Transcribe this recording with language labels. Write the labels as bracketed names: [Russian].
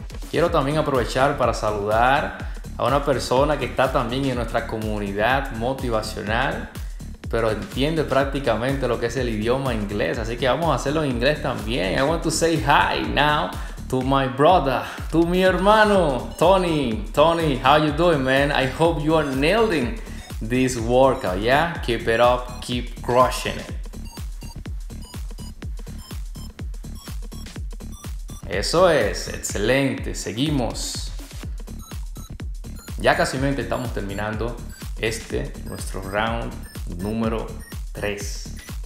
[Spanish] Quiero también aprovechar para saludar a una persona que está también en nuestra comunidad motivacional, pero entiende prácticamente lo que es el idioma inglés. Así que vamos a hacerlo en inglés también. [English] I want to say hi now to my brother, to [Spanish] mi hermano, [English] Tony. Tony, how you doing, man? I hope you are nailing this workout, yeah? Keep it up, keep crushing it. [Spanish] Eso es, excelente, seguimos. Ya casi estamos terminando este, nuestro round número 3.